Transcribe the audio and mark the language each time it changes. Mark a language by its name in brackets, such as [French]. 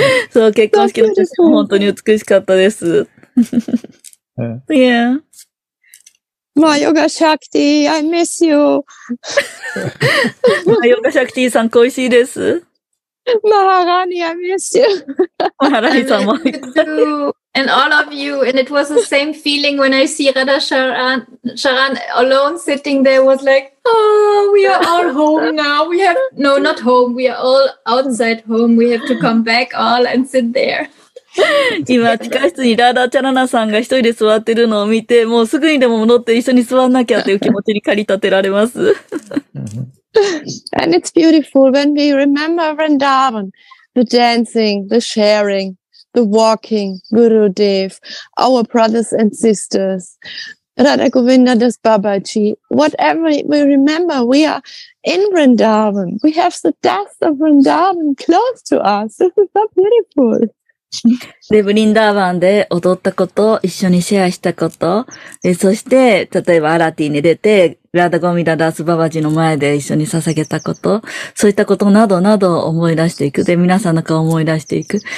[Japanese] そう、結婚式の写真も本当に美しかったです。 [English] Yeah. マヨガシャクティ、I miss you. [Japanese] マヨガシャクティさん、恋しいです。 [English] マハラニ、I miss you. [Japanese] マハラニさんも。 [English] And all of you, and it was the same feeling when I see Radha Charan alone sitting there, was like, oh, we are all home now. We have, no, not home. We are all outside home. We have to come back all and sit there. [Japanese] 今、地下室にラーダーチャラナさんが一人で座ってるのを見て、もうすぐにでも戻って一緒に座んなきゃという気持ちに駆り立てられます。 [English] And it's beautiful when we remember Vrindavan, the dancing, the sharing, the walking, Gurudev, our brothers and sisters, Radha Govinda Das Babaji, whatever we remember, we are in Vrindavan. We have the death of Vrindavan close to us. This is so beautiful. [Japanese] で、ブリンダーバンで踊ったこと、一緒にシェアしたこと、そして、例えばアラティに出て、ラダゴミダダスババジの前で一緒に捧げたこと、そういったことなどなどを思い出していく。で、皆さんの顔を思い出していく。